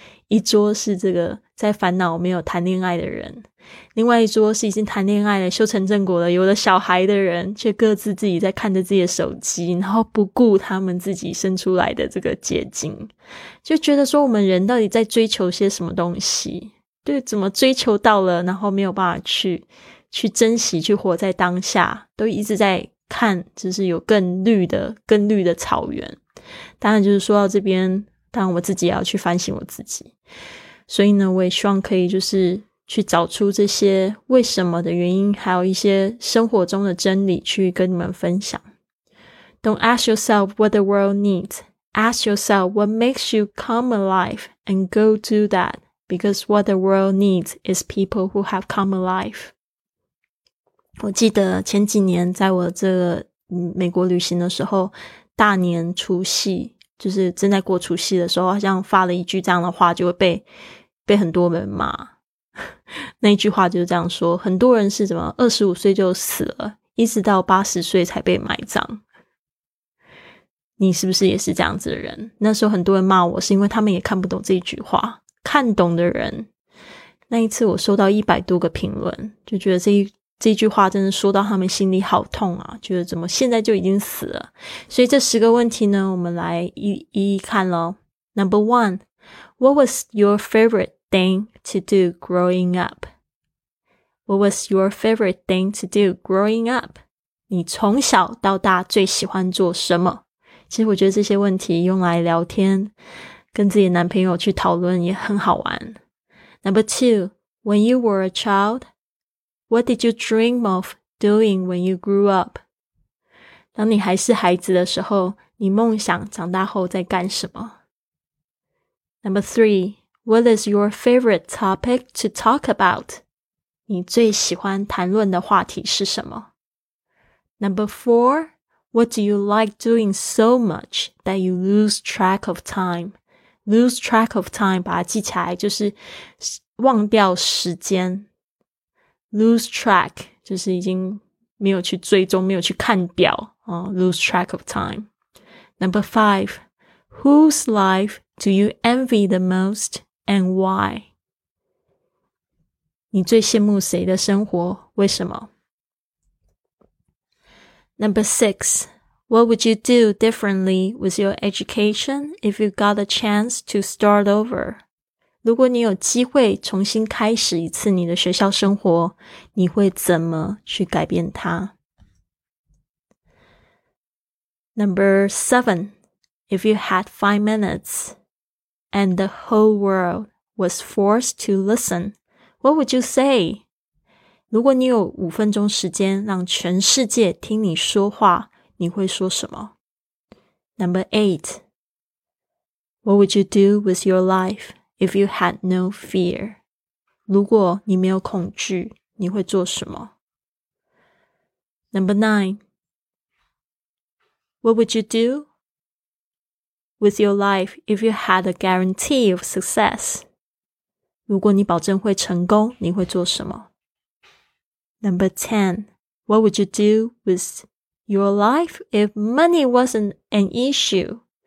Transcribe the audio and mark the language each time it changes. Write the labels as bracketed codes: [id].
[zh] 一桌是这个在烦恼没有谈恋爱的人，另外一桌是已经谈恋爱了修成正果了有了小孩的人，却各自自己在看着自己的手机，然后不顾他们自己生出来的这个结晶，就觉得说我们人到底在追求些什么东西，对，怎么追求到了然后没有办法去珍惜，去活在当下，都一直在看就是有更绿的草原。当然就是说到这边，当然我自己也要去反省我自己，所以呢我也希望可以就是去找出这些为什么的原因，还有一些生活中的真理去跟你们分享。 [en] Don't ask yourself what the world needs. Ask yourself what makes you come alive and go do that. Because what the world needs is people who have come alive. [zh] 我记得前几年在我这个美国旅行的时候，大年除夕，就是正在过除夕的时候，好像发了一句这样的话就会被很多人骂。那一句话就是这样说，很多人是怎么25岁就死了，一直到80岁才被埋葬。你是不是也是这样子的人？那时候很多人骂我是因为他们也看不懂这一句话，看懂的人，那一次我收到100多个评论，就觉得这句话真的说到他们心里好痛啊，觉得怎么现在就已经死了。所以这十个问题呢，我们来一一看咯。 [en] Number one, what was your favorite thing to do growing up? What was your favorite thing to do growing up? [zh] 你从小到大最喜欢做什么？其实我觉得这些问题用来聊天，跟自己男朋友去讨论也很好玩。 [en] Number two, when you were a child, what did you dream of doing when you grew up? [zh] 当你还是孩子的时候，你梦想长大后在干什么？ [en] Number three, what is your favorite topic to talk about? [zh] 你最喜欢谈论的话题是什么？ [en] Number four, what do you like doing so much that you lose track of time? Lose track of time, [zh] 把它记起来，就是忘掉时间。 [en] Lose track, [zh] 就是已经没有去追踪，没有去看表， [en] lose track of time. Number five, whose life... Do you envy the most and why? [zh] 你最羡慕谁的生活？为什么？ [en] Number six, what would you do differently with your education if you got a chance to start over? [zh] 如果你有机会重新开始一次你的学校生活，你会怎么去改变它？ [en] Number seven, if you had 5 minutes,And the whole world was forced to listen. What would you say? [zh] 如果你有五分钟时间让全世界听你说话，你会说什么？ [en] Number eight. What would you do with your life if you had no fear? [zh] 如果你没有恐惧，你会做什么？ [en] Number nine. What would you do? With your life, if you had a guarantee of success. [zh] 如果你保证会成功，你会做什么？ [en] Number 10. What would you do with your life if money wasn't an issue?